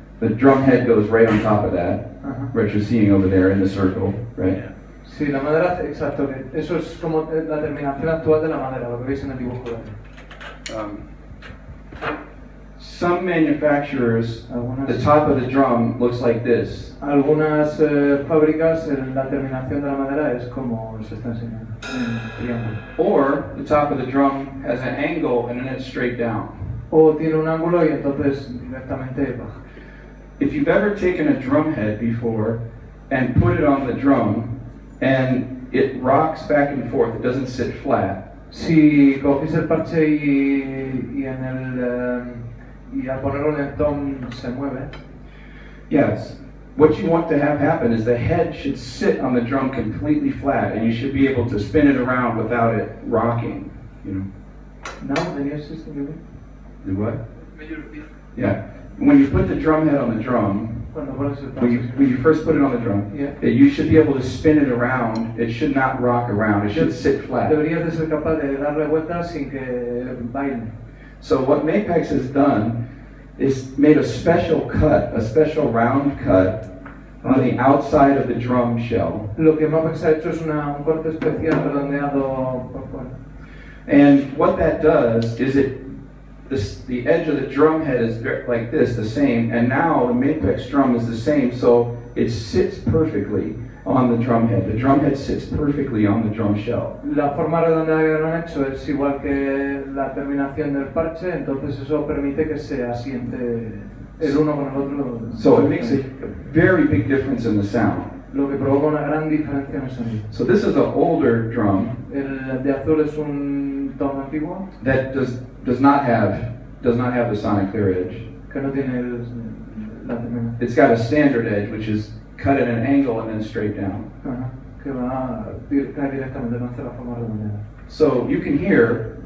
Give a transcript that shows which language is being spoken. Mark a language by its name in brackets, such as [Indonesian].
[English] The drum head goes right on top of that. Uh-huh. Right, you're seeing over there in the circle, right? [Spanish] Sí, la madera, exacto. Eso es como la terminación actual de la madera, lo que veis en el dibujo. [English] Some manufacturers, the top of the drum looks like this. [Spanish] Algunas fábricas, la terminación de la madera es como se está enseñando. [English] Or the top of the drum has an angle and then it's straight down. [Spanish] O tiene un ángulo y entonces directamente baja. [English] If you've ever taken a drum head before and put it on the drum and it rocks back and forth, it doesn't sit flat. [Spanish] Si coges el parche y en el y al ponerlo en el tom se mueve. [English] Yes. What you want to have happen is the head should sit on the drum completely flat and you should be able to spin it around without it rocking, you know. No, then you assist the movie. Do what? Major. Yeah. When you put the drum head on the drum, when you first put it on the drum, yeah. You should be able to spin it around. It should not rock around. It should sit flat. [Spanish] Debería de ser capaz de darle vuelta sin que baile. [English] So what Mapex has done is made a special cut, a special round cut on the outside of the drum shell. [Spanish] Lo que Mapex ha hecho es un corte especial redondeado por fuera. [English] And what that does is the edge of the drum head is like this, the same, and now the Mapex drum is the same, so it sits perfectly on the drum head. The drum head sits perfectly on the drum shell. [Spanish] La forma redondeada que lo han hecho es igual que la terminación del parche, entonces eso permite que se asiente el uno con el otro. [English] So it makes a very big difference in the sound. [Spanish] Lo que provoca una gran diferencia en el sonido. [English] So this is an older drum. [Spanish] El de azul es un tom antiguo. [English] That does not have the sonic clear edge. [Spanish] Que no tiene la terminación. [English] It's got a standard edge, which is cut at an angle and then straight down. So you can hear.